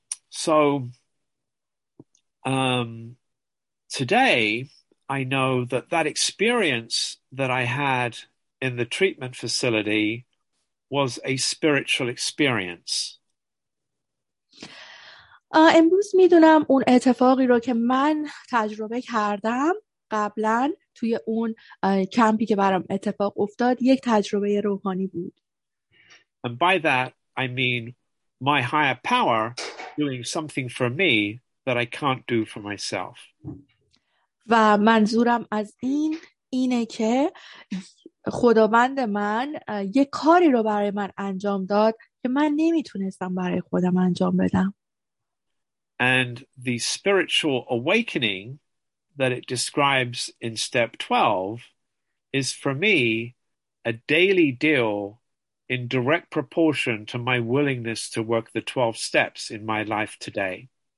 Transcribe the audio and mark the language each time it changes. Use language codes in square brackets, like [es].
[en] So today I know that that experience that I had in the treatment facility was a spiritual experience. [fa] امروز میدونم اون اتفاقی رو که من تجربه کردم قبلاً توی اون کمپی که برام اتفاق افتاد یک تجربه روحانی بود. [en] And by that I mean my higher power doing something for me that I can't do for myself. [fa] و منظورم از این اینه که خداوند من یک کاری رو برای من انجام داد که من نمیتونستم برای خودم انجام بدم. [en] And the spiritual awakening that it describes in step 12 is for me a daily deal in direct proportion to my willingness to work the 12 steps in my life today.